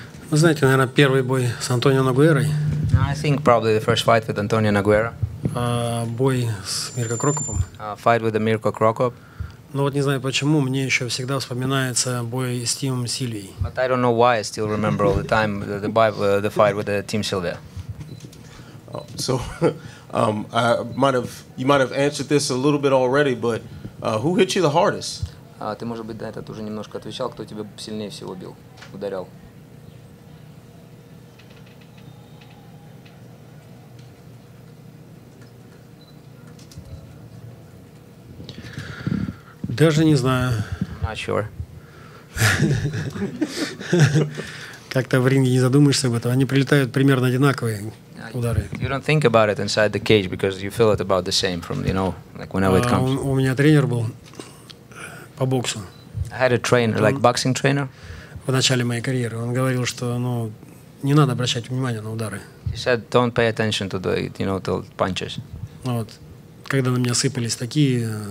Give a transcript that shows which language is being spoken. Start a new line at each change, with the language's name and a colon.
Russian: Вы знаете, наверное, первый бой с Антонио Нагуэрой.
English: I think probably the first fight with Antonio Nogueira.
Russian: Бой с Мирко Крокопом.
English: Fight with the Mirko Krokop.
Russian: Ну вот не знаю почему, мне еще всегда вспоминается бой с Тимом Сильвией.
English: But I don't know why I still remember all the time the fight with the Team Sylvia. So, you might have answered this a little bit already, but who hit you the hardest?
Russian: Ты, может быть, на это уже немножко отвечал, кто тебя сильнее всего бил, ударял? Даже не знаю.
English: Not sure.
Russian: Как-то в ринге не задумаешься об этом. Они прилетают примерно одинаковые удары.
English: You don't think about it inside the cage because you feel it about the same from, you know, like whenever it comes.
Russian: У меня тренер был по боксу.
English: I had a trainer, like boxing trainer.
Russian: В начале моей карьеры он говорил, что, ну, не надо обращать внимание на удары.
English: He said, don't pay attention to the, you know, to punches.
Russian: Вот, когда на меня сыпались такие